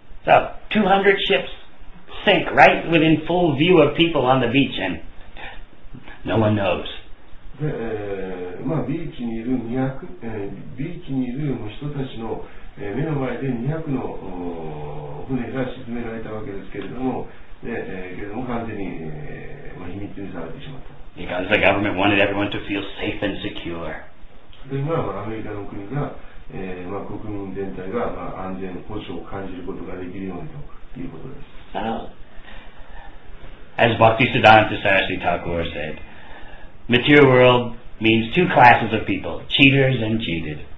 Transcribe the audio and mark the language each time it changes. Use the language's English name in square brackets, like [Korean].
[English] So, 200 ships sink right within full view of people on the beach and no one knows. [Japanese] で、まあ、ビーチにいる200、ビーチにいる人たちの目の前で200の船が沈められたわけですけれども、けれども完全に、まあ、秘密にされてしまった。 [English] Because the government wanted everyone to feel safe and secure. [Japanese] で、まあ、アメリカの国が、まあ、国民全体が、まあ、安全保障を感じることができるようにということです。 [English] As Bhaktisiddhanta Saraswati Thakur said, material world means two classes of people, cheaters and cheated.